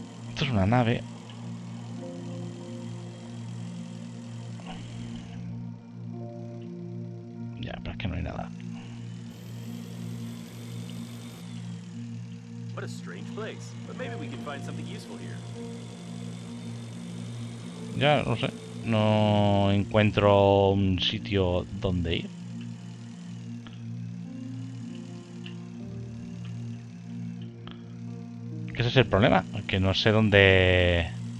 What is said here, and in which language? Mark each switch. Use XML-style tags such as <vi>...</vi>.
<es>Esto es una nave. Ya, pero es que no hay nada.</es> <en>What a strange place, but maybe we can find something useful here.</en> <es>Ya, no sé, no encuentro un sitio donde ir. Ese es el problema, que no sé dónde.</es>